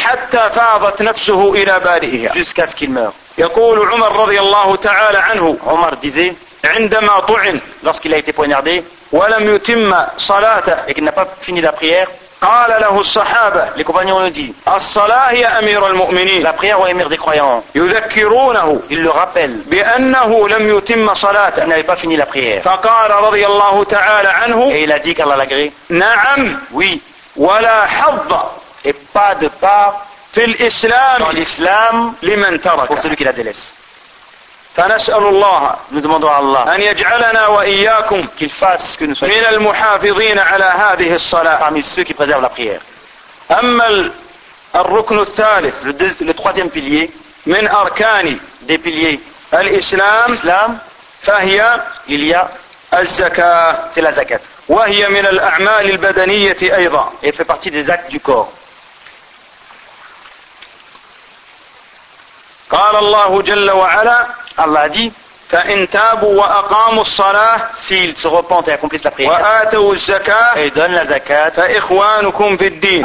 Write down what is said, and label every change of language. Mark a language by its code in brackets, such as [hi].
[ar] حتى فاضت نفسه إلى بارئها, [fr] jusqu'à ce qu'il meure. [ar] يقول عمر رضي الله تعالى عنه, [fr] عمر disait, [ar] عندما طعن, [fr] lorsqu'il a été poignardé, [ar] ولم يتم صلاته, [fr] et qu'il n'a pas fini la prière, [ar] قال له الصحابة, [fr] les compagnons ont dit, [ar] الصلاة يا أمير المؤمنين, [fr] la prière au émir des croyants, [ar] يذكرونه, [fr] ils le rappellent, [ar] بأنه لم يتم صلاته, [fr] il n'avait pas fini la prière, [ar] فقال رضي الله تعالى عنه, [fr] et il a dit qu'Allah l'agré, [ar] نعم, [fr] oui, [ar] ولا حظ, [fr] et pas de part, [ar] في الإسلام, [fr] dans l'islam, [ar] لمن ترك, [fr] pour celui qui la délaisse. [ar] فنسأل الله, [fr] nous demandons à Allah, [ar] أن يجعلنا وإياكم, [fr] qu'il fasse que nous soyons, [ar] من المحافظين على هذه الصلاة, [fr] parmi ceux qui préservent la prière. [ar] أما الركن الثالث, [fr] le troisième pilier, [ar] من أركان, [fr] des piliers, [ar] الإسلام, [fr] Islam, [ar] فهي, [fr] il y a, [ar] الزكاة, [fr] c'est la zakat, [ar] وهي من الأعمال البدنية أيضا, [fr] et fait partie des actes du corps. [ar] قال الله جل وعلا, [fr] Allah dit, [ar] فإن تابوا وأقاموا الصلاة, [fr] s'ils se repentent et accomplissent la prière, [ar] وآتوا الزكاة, [fr] et donnent la zakat, [ar] فإخوانكم في الدين,